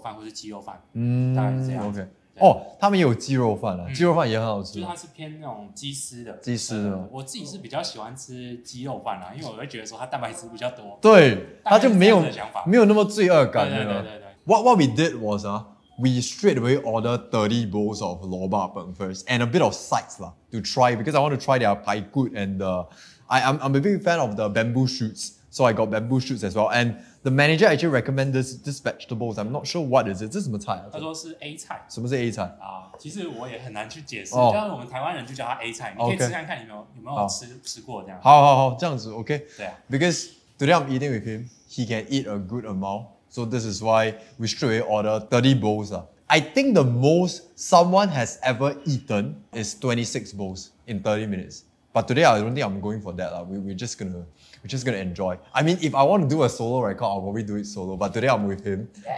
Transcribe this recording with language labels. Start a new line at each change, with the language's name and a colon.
Chinese: 一般哦，我如果要吃饱的话，应该是会点一个套餐啦。套餐，其实我很久没有来吃这个，但是对，就是我这算小时候会吃的，就是它的这个价格以前是更加的便宜的。哦，对对对。我觉得很便宜，算是便宜的。那因为我一般都会点一个汤啊，还有一个卤肉饭或是鸡肉饭。嗯，当然是这样。OK。哦，他们也有鸡肉饭啊，鸡肉饭也很好吃，就是它是偏那种鸡丝的。鸡丝的，我自己是比较喜欢吃鸡肉饭啦，因为我会觉得说它蛋白质比较多。对，它就没有那么罪恶感，对吧？对对对。
English: What we did was we straight away order 30 bowls of lo ba peng first and a bit of sides lah to try because I want to try their pai gut and the I'm a big fan of the bamboo shoots, so I got bamboo shoots as well and. The manager actually recommended this vegetables. I'm not sure what is it.
Chinese: 这是什么菜啊？他说是 A 菜。什么是 A 菜？其实我也很难去解释。但是我们台湾人就叫它 A 菜。你可以试看看有没有吃过这样。好好好，这样子 OK。对啊。
English: Because today I'm eating with him, he can eat a good amount. So this is why we straight away order 30 bowls. I think the most someone has ever eaten is 26 bowls in 30 minutes. But today I don't think I'm going for that. We're just gonna enjoy. I mean, if I want to do a solo record, I'll probably do it solo. But today I'm with him. Yeah.